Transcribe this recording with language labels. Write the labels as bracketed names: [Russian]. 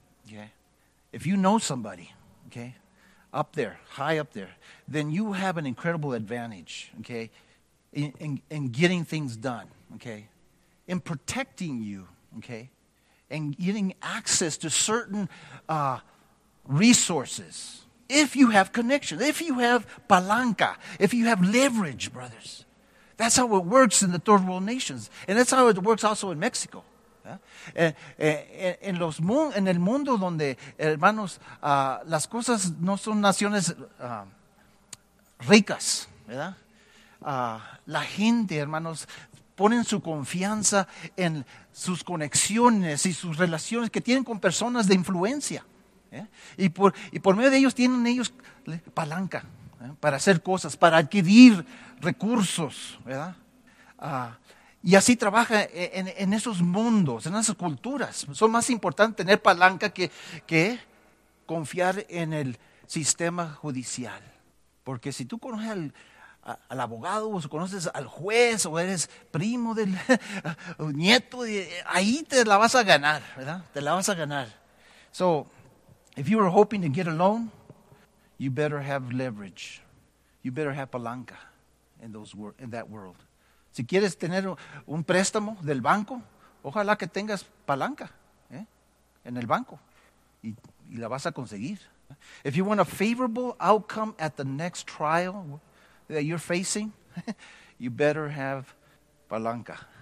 [English] Okay, if you know somebody, okay, up there, high up there, then you have an incredible advantage, okay, in getting things done, okay, in protecting you, okay, and getting access to certain resources. If you have connection, if you have palanca, if you have leverage, brothers, that's how it works in the third world nations. And that's how it works also in Mexico. [Spanish] En el mundo donde, hermanos, las cosas no son naciones ricas, ¿verdad? La gente, hermanos, ponen su confianza en sus conexiones y sus relaciones que tienen con personas de influencia. Y por medio de ellos tienen ellos palanca para hacer cosas, para adquirir recursos, ¿verdad? Y así trabaja en esos mundos, en esas culturas. Son más importante tener palanca que confiar en el sistema judicial. Porque si tú conoces al abogado, o si conoces al juez, o eres primo del nieto, ahí te la vas a ganar, ¿verdad? Te la vas a ganar. [English] So, if you were hoping to get a loan, you better have leverage. You better have palanca in that world. [Spanish] Si quieres tener un préstamo del banco, ojalá que tengas palanca en el banco y la vas a conseguir. [English] If you want a favorable outcome at the next trial that you're facing, you better have palanca.